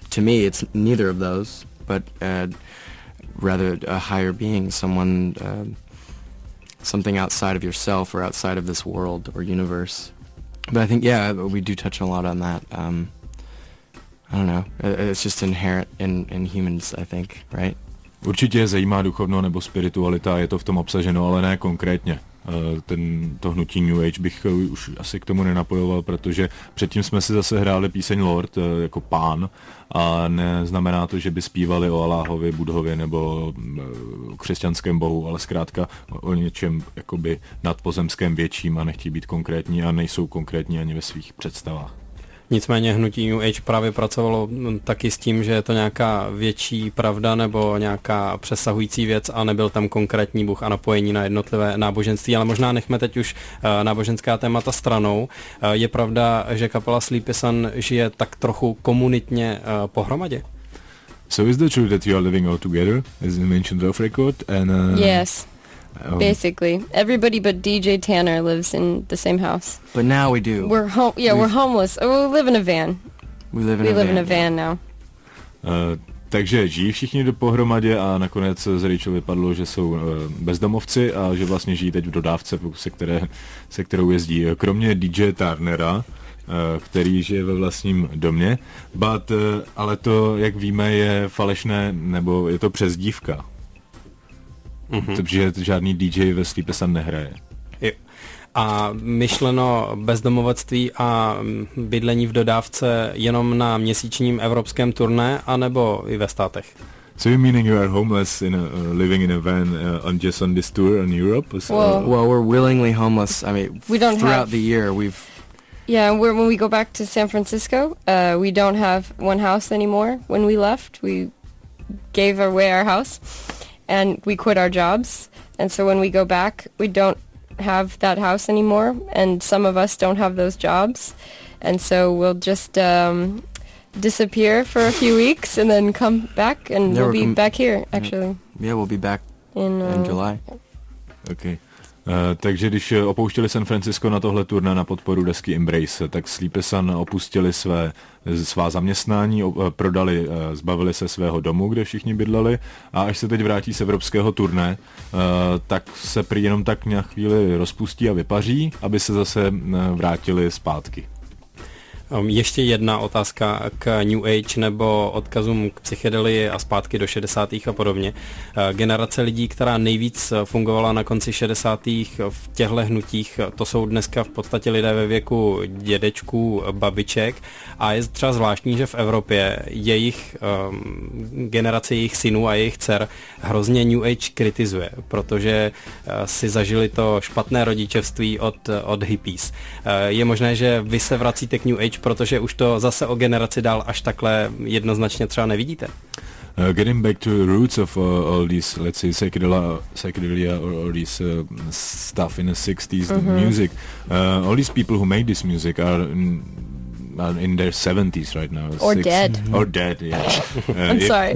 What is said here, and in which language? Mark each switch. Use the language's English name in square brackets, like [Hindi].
[English] To me, it's neither of those, but rather a higher being, someone. Something outside of yourself or outside of this world or universe. But I think, yeah, we do touch a lot on that. I don't know. It's just inherent in humans, I think, right? [Czech] Určitě je zajímá duchovno nebo spiritualita, je to v tom obsaženo, ale ne konkrétně. To hnutí New Age bych už asi k tomu nenapojoval, protože předtím jsme si zase hráli píseň Lord, jako pán, a neznamená to, že by zpívali o Aláhovi, Budhovi nebo křesťanském bohu, ale zkrátka o něčem jakoby nadpozemském větším a nechtí být konkrétní a nejsou konkrétní ani ve svých představách. Nicméně hnutí New Age právě pracovalo taky s tím, že je to nějaká větší pravda nebo nějaká přesahující věc a nebyl tam konkrétní Bůh a napojení na jednotlivé náboženství, ale možná nechme teď už náboženská témata stranou. Je pravda, že kapela Sleepy Sun žije tak trochu komunitně pohromadě? [English] So is the truth that you are living all together, as you mentioned off record? And, yes. Basically, everybody but DJ Tanner lives in the same house. But now we do. We're home. Yeah, we're homeless. We live in a van. We live in a van now. [Czech] Takže žijí všichni dopohromadě a nakonec z Rachel vypadlo, že jsou bezdomovci a že vlastně žijí teď v dodávce, se kterou jezdí. Kromě DJ Tarnera, který žije ve vlastním domě. [English] But, [Czech] ale to, jak víme, je falešné, nebo je to přezdívka. Protože žádný DJ ve Sleepy Sun nehraje. Jo. A myšleno bezdomovectví a bydlení v dodávce jenom na měsíčním evropském turné, anebo i ve státech? [English] So you meaning you are homeless in a, living in a van on just on this tour in Europe? Well, we're willingly homeless. I mean, throughout the year we've. Yeah, when we go back to San Francisco, we don't have one house anymore. When we left, we gave away our house. And we quit our jobs, and so when we go back, we don't have that house anymore, and some of us don't have those jobs, and so we'll just disappear for a few weeks, and then come back, and we'll be back here, actually. Yeah, we'll be back in July. Okay. [Czech] Takže když opouštěli San Francisco na tohle turné na podporu desky Embrace, tak Sleepy Sun opustili svá zaměstnání, prodali, zbavili se svého domu, kde všichni bydleli, a až se teď vrátí z evropského turné, tak se prý jenom tak na chvíli rozpustí a vypaří, aby se zase vrátili zpátky. Ještě jedna otázka k New Age nebo odkazům k psychedelii a zpátky do 60. a podobně. Generace lidí, která nejvíc fungovala na konci 60. v těchto hnutích, to jsou dneska v podstatě lidé ve věku dědečků, babiček, a je třeba zvláštní, že v Evropě jejich generace jejich synů a jejich dcer hrozně New Age kritizuje, protože si zažili to špatné rodičovství od hippies. Je možné, že vy se vracíte k New Age, protože už to zase o generaci dál až takhle jednoznačně třeba nevidíte. [English] Getting back to the roots of all these, let's say, psychedelia or this stuff in the 60s, the music, all these people who made this music are in their 70s right now. Or six, dead. Or dead, yeah. I'm sorry.